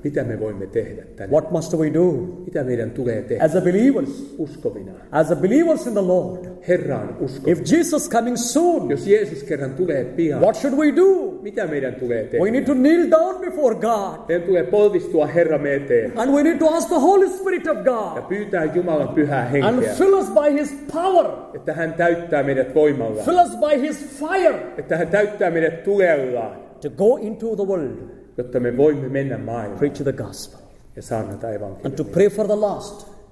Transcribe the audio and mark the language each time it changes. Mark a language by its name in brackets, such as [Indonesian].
[Finnish] Mitä me voimme tehdä tänään? [English] What must we do? [Finnish] Mitä meidän tulee tehdä? [English] As a believers, [Finnish] uskovina. [English] As a believers in the Lord, [Finnish] Herran uskovina. [English] If Jesus coming soon, [Finnish] jos Jeesus kerran tulee pian, [English] what should we do? [Finnish] Mitä meidän tulee tehdä? [English] We need to kneel down before God. [Finnish] Meidän tulee polvistua Herramme eteen. [English] And we need to ask the Holy Spirit of God. [Finnish] Ja pyytää Jumalan pyhää henkeä. [English] And fill us by His power. [Finnish] Että hän täyttää meidät voimalla. [English] Fill us by His fire. [Finnish] Että hän täyttää meidät tulella. [English] To go into the world, [Finnish] jotta me voimme mennä maailmaan, [English] preach the gospel, [Finnish] ja saarnata evankeliumia, [English] and to pray for the lost,